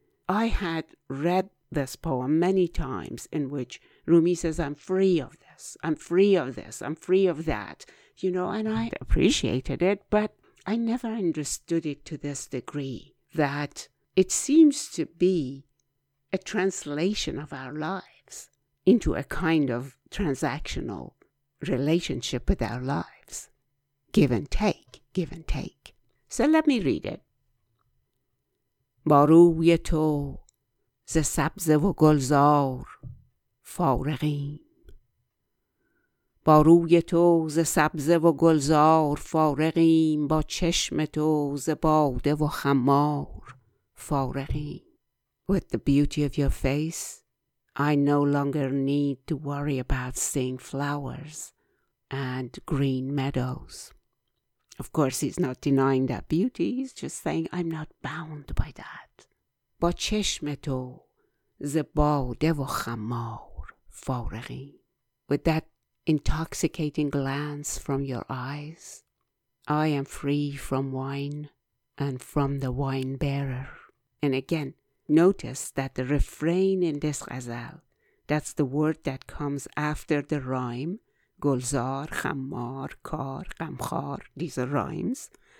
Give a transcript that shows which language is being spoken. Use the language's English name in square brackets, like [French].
[English] I had read this poem many times in which Rumi says, I'm free of this, I'm free of this, I'm free of that, you know, and I appreciated it, but I never understood it to this degree that it seems to be a translation of our lives into a kind of transactional relationship with our lives. Give and take, give and take. So let me read it. [Persian] باروی تو ز سبز و گلزار فارغیم. باروی تو ز سبز و گلزار فارغیم. با چشم تو ز باده و خمار فارغیم. [English] With the beauty of your face, I no longer need to worry about seeing flowers and green meadows. Of course, he's not denying that beauty. He's just saying, I'm not bound by that. [Persian] با چشم تو ز باده و خمار فارغی. [English] With that intoxicating glance from your eyes, I am free from wine and from the wine bearer. And again, notice that the refrain in this ghazal, that's the word that comes after the rhyme, gulzar, khammar, kar, khamkhar, these are rhymes.